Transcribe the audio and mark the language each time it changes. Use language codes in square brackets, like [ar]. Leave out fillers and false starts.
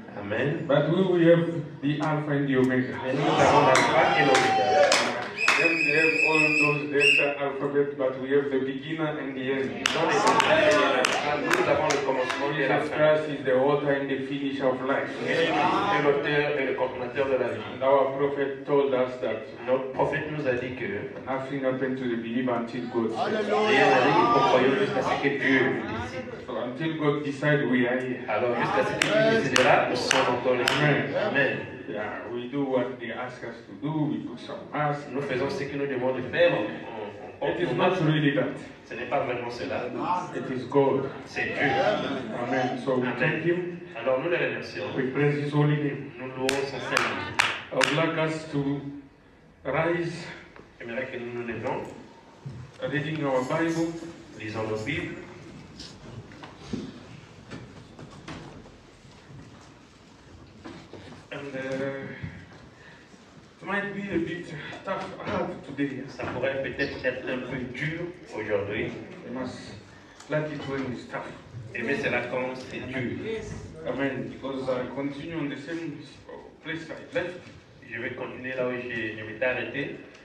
[en] Amen. But we have the Alpha and the Omega. [fr] Nous avons l'Alpha et l'Omega. [en] Then we have all those Delta alphabet, but we have the beginner and the end. [fr] Nous avons le commencement et la fin. [en] Jesus Christ is the author and the finisher of life. [fr] Et l'auteur et le consommateur de la vie. [en] And our prophet told us that. [fr] Notre prophète nous a dit que. [en] Nothing happens to the believer until God says. [fr] Rien n'arrive au croyant jusqu'à ce que Dieu le décide. [en] So until God decides, we are here. [fr] Alors jusqu'à ce que Dieu décidera, nous sommes encore les siens. [en] Amen. Yeah, we do what they ask us to do. We put some masks. [fr] Nous faisons ce qu'ils nous demandent de faire. [en] It is not really that. [fr] Ce n'est pas vraiment cela. [en] It is God. [fr] C'est Dieu. [en] Amen. So we thank Him. [fr] Alors nous le remercions. [en] We praise His holy name. [fr] Nous louons son Saint-Nom. [en] I would like us to rise. [fr] J'aimerais que nous nous levions. [en] Reading our Bible. [fr] Lisons nos Bibles. [en] Might be a bit tough today. [fr] Ça pourrait peut-être être un peu dur aujourd'hui. [en] Like it when it's tough. [fr] Et bien cela commence, c'est dur. [en] Yes. Amen. Because I continue on the same place I left. [fr] Je vais continuer là où je m'étais arrêté.